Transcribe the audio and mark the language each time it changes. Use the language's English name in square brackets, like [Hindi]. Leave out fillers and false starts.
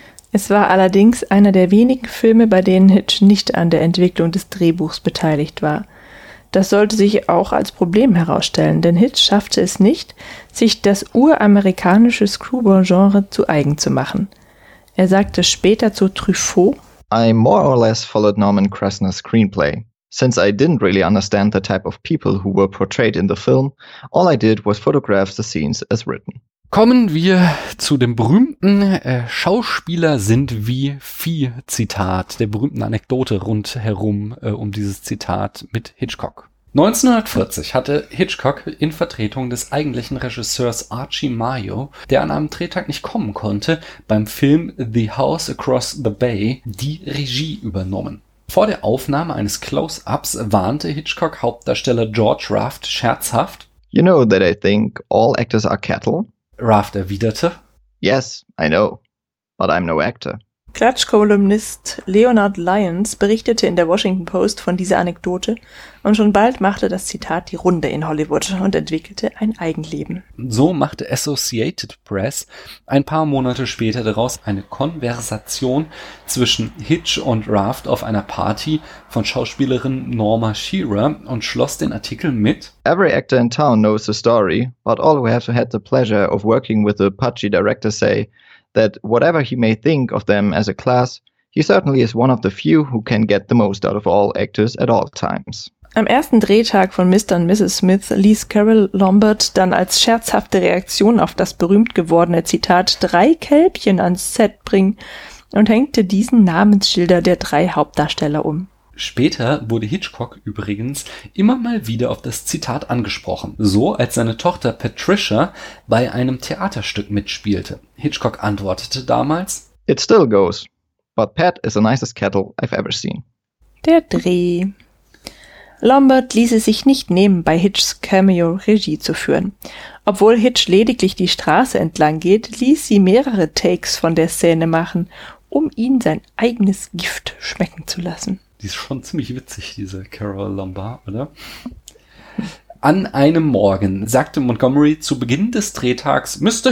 [German] Es war allerdings einer der wenigen Filme, bei denen Hitch nicht an der Entwicklung des Drehbuchs beteiligt war. Das sollte sich auch als Problem herausstellen, denn Hitch schaffte es nicht, sich das uramerikanische Screwball-Genre zu eigen zu machen. Er sagte später zu Truffaut: [English] I more or less followed Norman Kressner's screenplay. Since I didn't really understand the type of people who were portrayed in the film, all I did was photograph the scenes as written. [German] Kommen wir zu dem berühmten Schauspieler sind wie Vieh Zitat, der berühmten Anekdote rundherum um dieses Zitat mit Hitchcock. 1940 hatte Hitchcock in Vertretung des eigentlichen Regisseurs Archie Mayo, der an einem Drehtag nicht kommen konnte, beim Film The House Across the Bay die Regie übernommen. Vor der Aufnahme eines Close-ups warnte Hitchcock Hauptdarsteller George Raft scherzhaft: [English] You know that I think all actors are cattle? [German] Raft erwiderte: [English] Yes, I know, but I'm no actor. [German] Klatsch-Kolumnist Leonard Lyons berichtete in der Washington Post von dieser Anekdote, und schon bald machte das Zitat die Runde in Hollywood und entwickelte ein Eigenleben. So machte Associated Press ein paar Monate später daraus eine Konversation zwischen Hitch und Raft auf einer Party von Schauspielerin Norma Shearer und schloss den Artikel mit: [English] Every actor in town knows the story, but all who have had the pleasure of working with the pudgy director say that whatever he may think of them as a class, he certainly is one of the few who can get the most out of all actors at all times. [German] Am ersten Drehtag von Mr. und Mrs. Smith ließ Carol Lombard dann als scherzhafte Reaktion auf das berühmt gewordene Zitat drei Kälbchen ans Set bringen und hängte diesen Namensschilder der drei Hauptdarsteller um. Später wurde Hitchcock übrigens immer mal wieder auf das Zitat angesprochen. So, als seine Tochter Patricia bei einem Theaterstück mitspielte. Hitchcock antwortete damals: [English] It still goes, but Pat is the nicest cattle I've ever seen. [German] Der Dreh. Lombard ließ es sich nicht nehmen, bei Hitchs Cameo Regie zu führen. Obwohl Hitch lediglich die Straße entlang geht, ließ sie mehrere Takes von der Szene machen, um ihn sein eigenes Gift schmecken zu lassen. Die ist schon ziemlich witzig, diese Carol Lombard, oder? An einem Morgen sagte Montgomery zu Beginn des Drehtags: Mr.